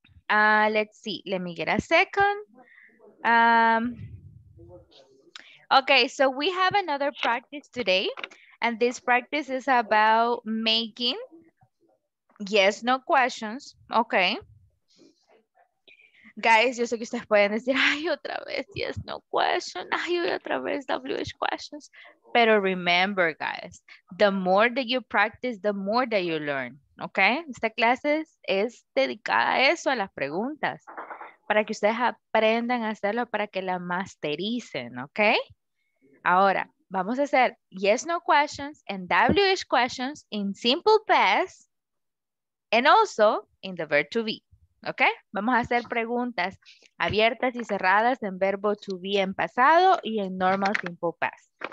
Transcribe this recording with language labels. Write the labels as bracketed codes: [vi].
[en] Let's see, let me get a second. Okay, so we have another practice today, and this practice is about making yes, no questions, okay? [es] Guys, yo sé que ustedes pueden decir, ay, otra vez, yes, no question, ay, otra vez, WH questions. [en] Pero remember, guys, the more that you practice, the more that you learn, okay? [es] Esta clase es dedicada a eso, a las preguntas, para que ustedes aprendan a hacerlo, para que la mastericen, okay? Ahora, vamos a hacer [en] yes, no questions and WH questions in simple past And also in the verb to be. [es] ¿Ok? Vamos a hacer preguntas abiertas y cerradas en verbo to be en pasado y en normal simple past.